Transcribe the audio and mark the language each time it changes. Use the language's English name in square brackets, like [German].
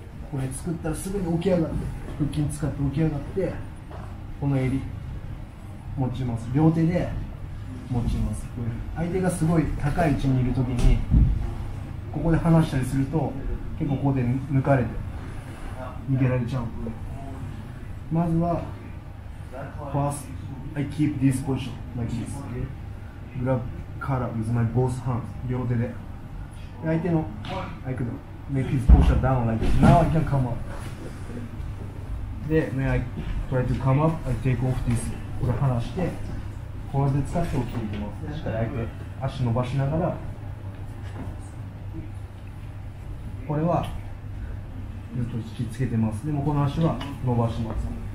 [Japanese] これ作ったらすぐに起き上がって、腹筋使って起き上がってこの襟持ちます。両手で持ちます。相手がすごい高い位置にいるときにここで離したりすると結構ここで抜かれて逃げられちゃう。まずは [English] First I keep this position like this. Grab Kara with my both hands [Japanese] 両手で、相手の [English] I could make his posture down like this. Now I can come up. で、When I try to come up I take off this. [Japanese] これ離してこれで使って起きていきます。しっかり相手足伸ばしながら、これはずっと引きつけてます。でもこの足は伸ばします。